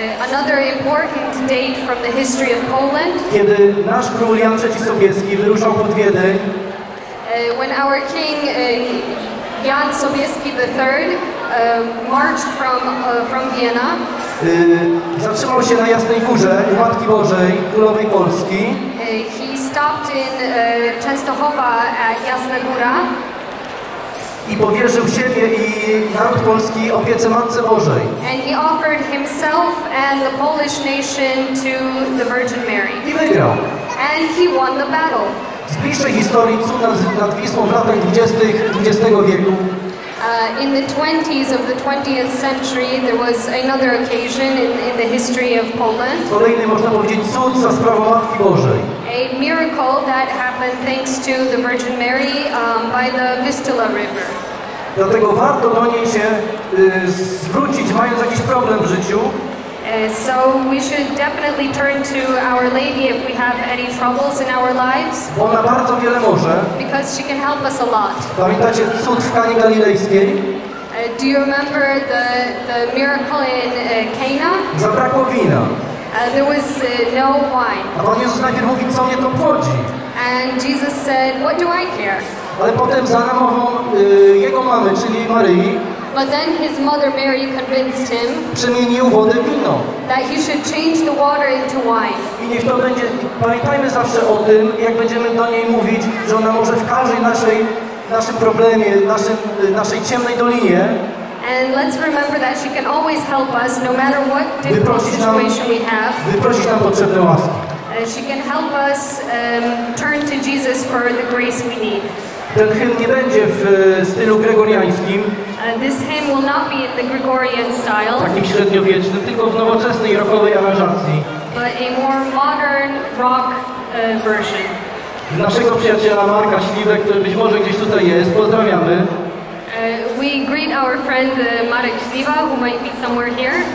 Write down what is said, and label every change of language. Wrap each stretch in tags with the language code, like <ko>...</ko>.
<en>Another important date from the history of Poland.</en> <pl>Kiedy nasz król Jan III Sobieski wyruszał pod Wiedeń.</pl> <en>When our king Jan Sobieski III marched from Vienna.</en> <pl>Zatrzymał się na Jasnej Górze u Matki Bożej, Królowej Polski.</pl> <en>He stopped in Częstochowa at Jasna Góra.</en> <pl>I powierzył siebie i naród polski opiece Matce Bożej.</pl> <en>And he offered himself and the Polish nation to the Virgin Mary.</en> <pl>I wygrał.</pl> <en>And he won the battle.</en> <pl>Z bliższej historii cud nad Wisłą w latach 20. XX wieku.</pl> <en>In the 20s of the 20th century, there was another occasion in the history of Poland.</en> <pl>Kolejny, można powiedzieć, cud za sprawą Matki Bożej.</pl> <en>A miracle that happened thanks to the Virgin Mary by the Vistula River.</en> <pl>Dlatego warto do niej się zwrócić, mając jakiś problem w życiu.</pl> <en>So we should definitely turn to Our Lady if we have any troubles in our lives.</en> <pl>Ona bardzo wiele może.</pl> <en>Because she can help us a lot.</en> <pl>Pamiętacie cud w Kanie Galilejskiej?</pl> <en>Do you remember the miracle in Cana?</en> <pl>Zabrakło wina.</pl> <en>There was no wine.</en> <pl>A Pan Jezus najpierw mówi, co mnie to obchodzi?</pl> <en>And Jesus said, what do I care?</en> <pl>Ale potem za namową Jego mamy, czyli Maryi,</pl> <en>but then his mother Mary convinced him</en> <pl>przemienił wodę w wino.</pl> <en>That he should change the water into wine.</en> <pl>I niech to będzie, pamiętajmy zawsze o tym, jak będziemy do niej mówić, że ona może w każdej naszym problemie, naszej ciemnej dolinie.</pl> <en>And let's remember that she can always help us no matter what difficult situation we have.</en> <pl>Wyprosić nam potrzebne łaski.</pl> <en>She can help us turn to Jesus for the grace we need.</en> <pl>Ten hymn nie będzie w stylu gregoriańskim.</pl> <en>This hymn will not be in the Gregorian style.</en> <pl>Takim średniowiecznym, tylko w nowoczesnej rockowej aranżacji.</pl> <en>But a more modern rock version.</en> <pl>Naszego przyjaciela Marka Śliwek, który być może gdzieś tutaj jest, pozdrawiamy.</pl> <en>We greet our friend Marek Śliwa, who might be somewhere here.</en>